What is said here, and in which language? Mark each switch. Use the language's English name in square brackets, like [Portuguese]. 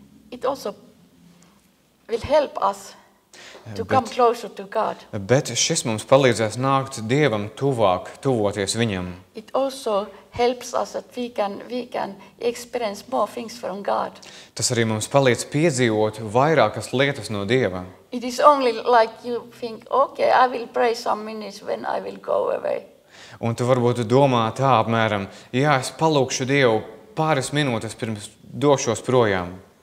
[English] It also will help us to come closer to God. [Latvian] Bet šis mums palīdzēs nākt Dievam tuvāk, tuvoties viņam. [English] It also helps us that we can experience more things from God. [Latvian] Tas arī mums palīdz piedzīvot vairākas lietas no Dieva. [English] It is only like you think, okay, I will pray some minutes when I will go away. [Latvian] Un tu varbūt domā tā apmēram, jā, es palūkšu Dievu pāris minūtes pirms došos projām.